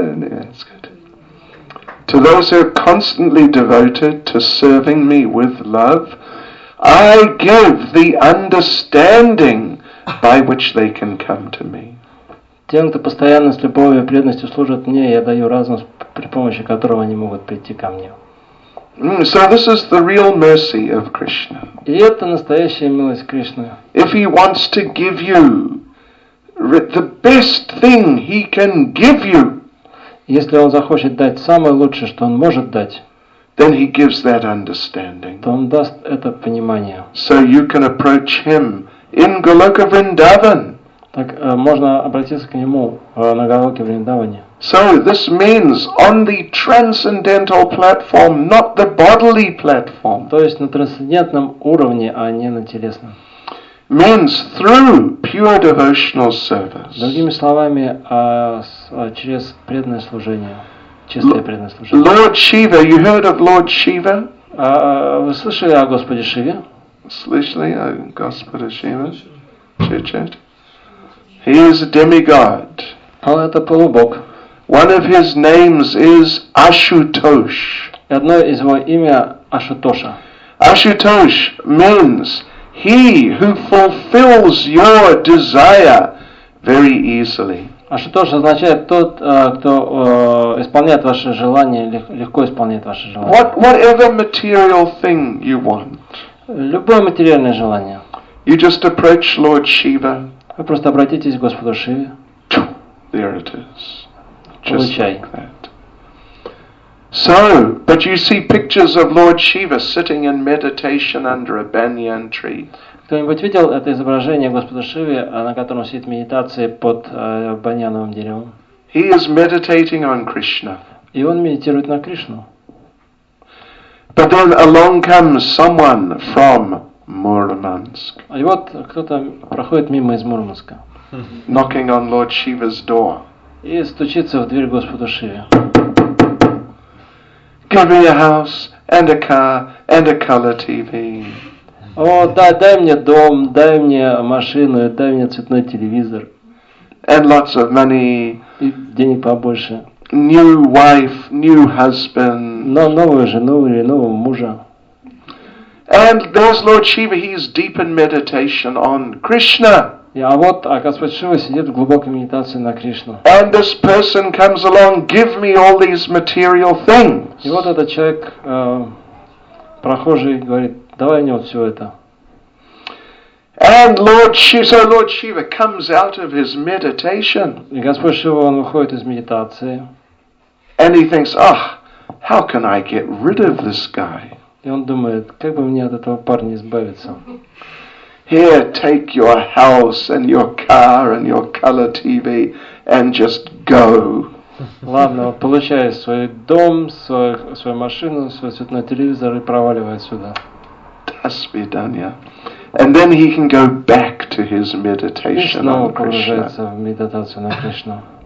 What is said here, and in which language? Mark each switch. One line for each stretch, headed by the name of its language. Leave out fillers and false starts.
English: To those who are constantly devoted to serving me with love, I give the understanding by which they can come to me.
Russian: Тем, кто постоянно с любовью и преданностью служит мне, я даю разум, при помощи которого они могут прийти ко мне.
English: So this is the real mercy of Krishna.
Russian: И это настоящая милость Кришны.
English: If he wants to give you the best thing he can give you,
Russian: если он захочет дать самое лучшее, что он может дать,
English: then he gives that understanding.
Russian: То он даст это понимание.
English: So you can approach him in Goloka Vrindavan.
Russian: Так можно обратиться к нему на Голоке Вриндаване.
English: So this means on the transcendental platform, not the bodily platform.
Russian: То есть на трансцендентном уровне, а не на телесном.
English: Means through pure devotional service.
Russian: Другими словами, через преданное служение, чистое преданное служение.
English: Lord Shiva, you heard of Lord Shiva?
Russian: Вы слышали о Господе Шиве? Слышали о Господе Шиве? Чит-чит.
English: He is a demigod.
Russian: Он это полубог.
English: One of his names is Ashutosh.
Russian: Одно из его имя Ашутоша.
English: Ashutosh means he who fulfills your desire very easily.
Russian: Ашутоша означает тот, кто исполняет ваше желание, легко исполняет ваше желание.
English: Whatever material thing you want.
Russian: Любое материальное желание.
English: You just approach Lord Shiva.
Russian: Вы просто обратитесь к Господу Шиве.
English: There it is. Just
Russian: получай.
English: Like that. So, but you see pictures of Lord Shiva sitting in meditation under a banyan tree.
Russian: Кто-нибудь видел это изображение Господа Шивы, на котором сидит в медитации под баньяновым деревом?
English: He is meditating on Krishna.
Russian: И он медитирует на Кришну.
English: But then along comes someone from Мурманск.
Russian: И вот кто-то проходит мимо из Мурманска.
English: Knocking on Lord Shiva's door.
Russian: И стучится в дверь Господу Шиве.
English: Give me a house and a car and a color TV.
Russian: О, да, дай мне дом, дай мне машину, дай мне цветной телевизор.
English: And lots of money.
Russian: И денег побольше.
English: New wife, new husband.
Russian: Но новую жену или нового мужа.
English: And there's Lord Shiva, he's deep in meditation on Krishna.
Russian: Yeah, вот, а Господь Шива сидит в глубокой медитации на Кришну.
English: And this person comes along, give me all these material things.
Russian: И вот этот человек, прохожий, говорит, давай мне вот все это.
English: And Lord Shiva, so Lord Shiva comes out of his meditation.
Russian: И Господь Шива, он выходит из медитации.
English: And he thinks, ah, how can I get rid of this guy?
Russian: И он думает, как бы мне от этого парня избавиться.
English: Here, take your house and your car and your color TV and just go.
Russian: Ладно, вот получай свой дом, свою машину, свой цветной телевизор и проваливай отсюда. До свидания.
English: And then he can go back to his meditation on Krishna.
Russian: И снова погружается в медитацию на Кришну.